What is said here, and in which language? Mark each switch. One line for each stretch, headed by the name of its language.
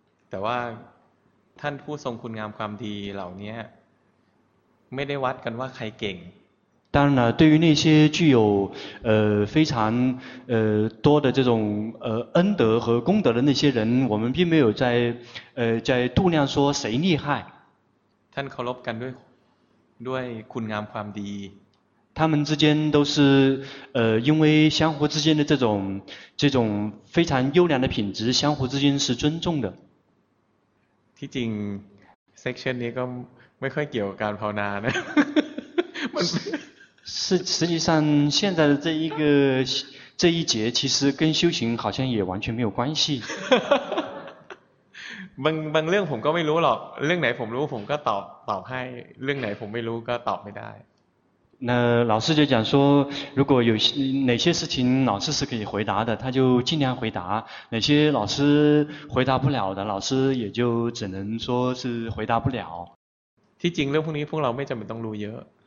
Thai: แต่ว่าท่านผู้ทรงคุณงามความดีเหล่านี้ไม่ได้วัดกันว่าใครเก่ง。
Chinese: 当然了，对于那些具有非常多的这种恩德和功德的那些人，我们并没有在度量说谁厉害。
Thai: ท่านเคารพกันด้วยคุณงามความดี
Chinese: 他们之间都是因为相互之间的这种非常优良的品质相互之间是尊重的
Thai: ที่จริงเซกชันนี้ก็ไม่ค่อยเกี่ยวกับการภาวนานะ
Chinese: 实际上现在的这一节其实跟修行好像也完全没有关系
Thai: บางเรื่องผมก็ไม่รู้หรอกเรื่องไหนผมรู้ผมก็ตอบให้เรื่องไหนผมไม่รู้ก็ตอบไม่ได้
Chinese: 那老师就讲说如果有哪些事情老师是可以回答的他就尽量回答哪些老师回答不了的老师也就只能说是回答不了
Thai: ที่จริงเรื่องพวกนี้พวกเราไม่จำเป็นต้องรู้เยอะ